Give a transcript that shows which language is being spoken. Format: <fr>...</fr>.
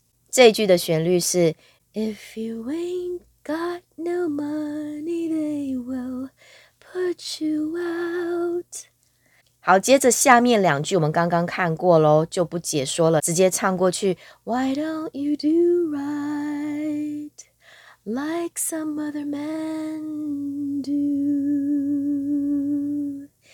<zh>这句的旋律是</zh> <en>If you ain't got no money, they will put you out.</en> <zh>好，接着下面两句我们刚刚看过咯，就不解说了，直接唱过去。</zh> <en>Why don't you do right like some other men do?</en>